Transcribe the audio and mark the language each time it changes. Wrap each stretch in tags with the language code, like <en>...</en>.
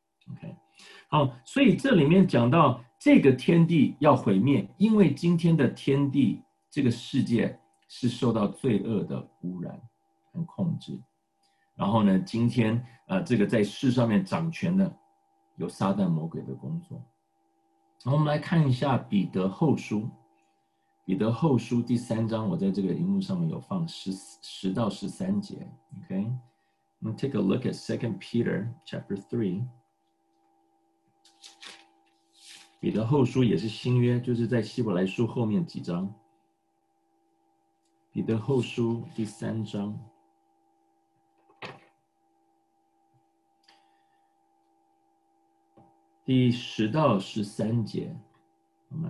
<zh>OK， 好，所以这里面讲到这个天地要毁灭，因为今天的天地这个世界是受到罪恶的污染和控制。然后呢，今天这个在世上面掌权的有撒旦魔鬼的工作。然后我们来看一下彼得后书，彼得后书第三章，我在这个荧幕上面有放十到十三节。</zh> <en>OK， I'm going to take a look at 2 Peter chapter 3。</en> <zh>彼得后书也是新约，就是在希伯来书后面几章。彼得后书第三章，第十到十三节，好吗？</zh>